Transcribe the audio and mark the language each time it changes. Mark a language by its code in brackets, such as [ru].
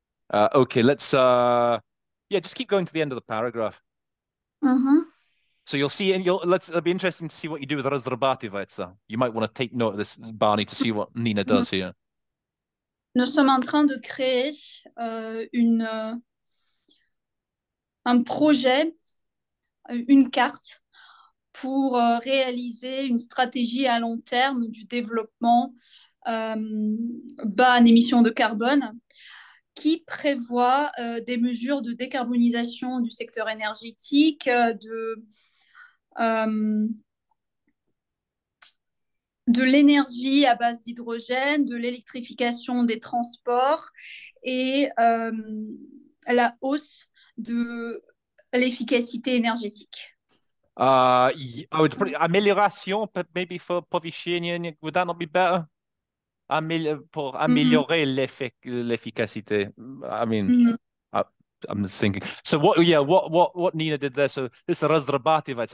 [en] Okay, let's just keep going to the end of the paragraph. Mm-hmm. So you'll see, and it'll be interesting to see what you do with Razrabativetsa. You might want to take note of this, Barney, to see what Nina does here. [fr] Nous sommes en train de créer un projet, une carte, pour réaliser une stratégie à long terme du développement bas en émissions de carbone, qui prévoit des mesures de décarbonisation du secteur énergétique, de l'énergie à base d'hydrogène, de l'électrification des transports et la hausse de l'efficacité énergétique. [en] I would put amélioration, but maybe for Povichinian, would that not be better? [fr] Pour améliorer l'efficacité. [en] I'm just thinking. So what Nina did there, so this is Razdrabativets.